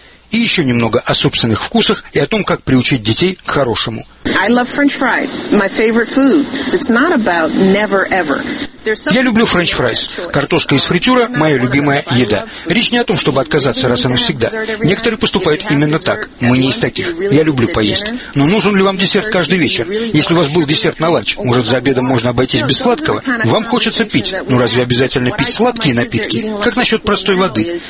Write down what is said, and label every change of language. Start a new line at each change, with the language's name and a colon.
Russian: И еще немного о собственных вкусах и о том, как приучить детей к хорошему.
English: I love French fries. My favorite food. It's not about never ever.
Russian: Я люблю френч-фрайс. Картошка из фритюра – моя любимая еда. Речь не о том, чтобы отказаться раз и навсегда. Некоторые поступают именно так. Мы не из таких. Я люблю поесть. Но нужен ли вам десерт каждый вечер? Если у вас был десерт на ланч, может, за обедом можно обойтись без сладкого? Вам хочется пить. Но разве обязательно пить сладкие напитки? Как насчет простой воды?